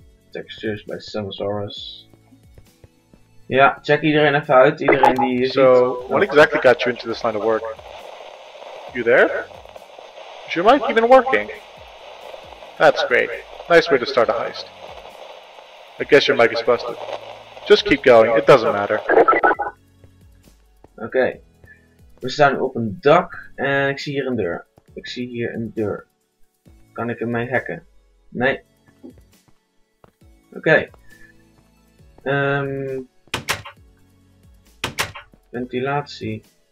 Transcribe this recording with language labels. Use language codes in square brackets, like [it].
[en] Textures by Samosaurus. [nl] Yeah, check iedereen even uit, iedereen die hier ziet. [en] So, what exactly got you into this line of work? You there? Is your mic even working? That's great. Nice way to start a heist. I guess your mic is busted. Just keep going, it doesn't matter. Okay. [nl] We staan op een dak en ik zie hier een deur. Ik zie hier een deur. Kan ik ermee hacken? Nee. Okay. Ventilatie.